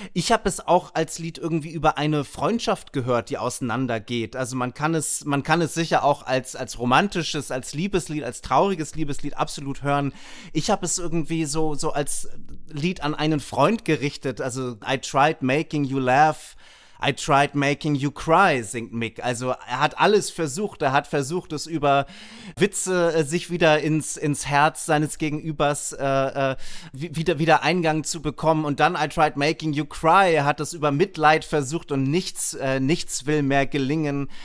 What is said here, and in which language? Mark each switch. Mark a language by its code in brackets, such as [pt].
[de] Ich habe es auch als Lied irgendwie über eine Freundschaft gehört, die auseinandergeht. Also man kann es sicher auch als romantisches, als Liebeslied, als trauriges Liebeslied absolut hören. Ich habe es irgendwie so als Lied an einen Freund gerichtet. Also [en] I tried making you laugh, I tried making you cry, [de] singt Mick. Also er hat alles versucht. Er hat versucht, es über Witze sich wieder ins Herz seines Gegenübers wieder Eingang zu bekommen. Und dann [en] I tried making you cry. [de] Er hat es über Mitleid versucht und nichts will mehr gelingen.